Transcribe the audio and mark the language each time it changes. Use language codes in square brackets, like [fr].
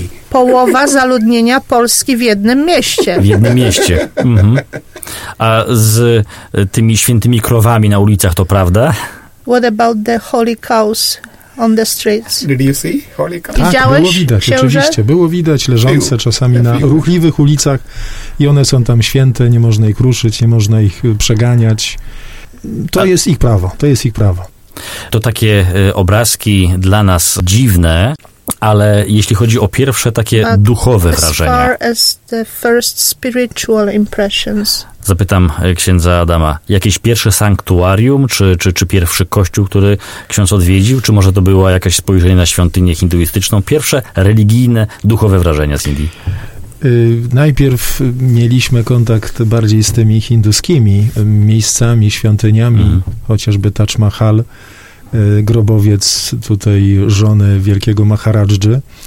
[pl] Połowa zaludnienia Polski w jednym mieście. W jednym mieście. Mhm. A z tymi świętymi krowami na ulicach to prawda? [en] What about the holy cows on the streets? Did you see holy cows? [pl] Tak, widziałeś, było widać, księże? Oczywiście. Było widać leżące czasami na ruchliwych ulicach i one są tam święte, nie można ich ruszyć, nie można ich przeganiać. To jest ich prawo. To takie obrazki dla nas dziwne, ale jeśli chodzi o pierwsze takie duchowe wrażenia. [en] As far as the first spiritual impressions. [pl] Zapytam księdza Adama, jakieś pierwsze sanktuarium, czy pierwszy kościół, który ksiądz odwiedził, czy może to było jakieś spojrzenie na świątynię hinduistyczną? Pierwsze religijne, duchowe wrażenia z Indii. Najpierw mieliśmy kontakt bardziej z tymi hinduskimi miejscami, świątyniami, chociażby Taj Mahal, grobowiec tutaj żony wielkiego Maharadży.